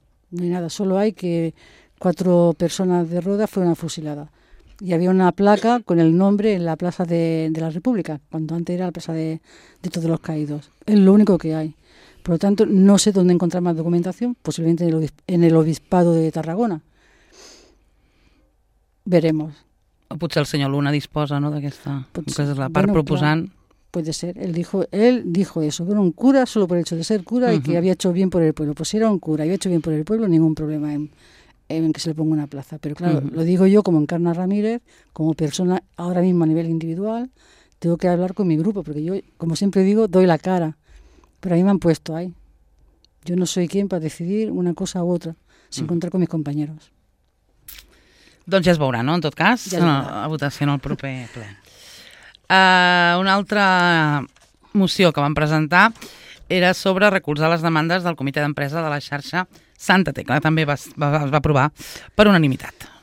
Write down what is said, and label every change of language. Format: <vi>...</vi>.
<es>Ni nada, solo hay que cuatro personas de Roda fueron fusiladas. Y había una placa con el nombre en la Plaza de la República, cuando antes era la Plaza de Todos los Caídos. Es lo único que hay. Por lo tanto, no sé dónde encontrar más documentación, posiblemente en el Obispado de Tarragona. Veremos.</es> <ca>O potser el senyor Luna disposa, ¿no?, d'aquesta, que és la part, bueno, proposant. Clar.</ca> <es>Puede ser, él dijo eso, que era un cura solo por el hecho de ser cura, uh-huh, y que había hecho bien por el pueblo. Pues si era un cura y había hecho bien por el pueblo, ningún problema en que se le ponga una plaza. Pero claro, uh-huh, lo digo yo como Encarna Ramírez, como persona ahora mismo a nivel individual, tengo que hablar con mi grupo, porque yo, como siempre digo, doy la cara. Pero a mí me han puesto ahí. Yo no soy quien para decidir una cosa u otra, sin uh-huh contar con mis compañeros.</es> <ca>Doncs ja es veurà, no?, en tot cas, ja a votació en el proper ple. Una altra moció que vam presentar era sobre recolzar les demandes del comitè d'empresa de la xarxa Santa Tecla. També es va aprovar per unanimitat.</ca>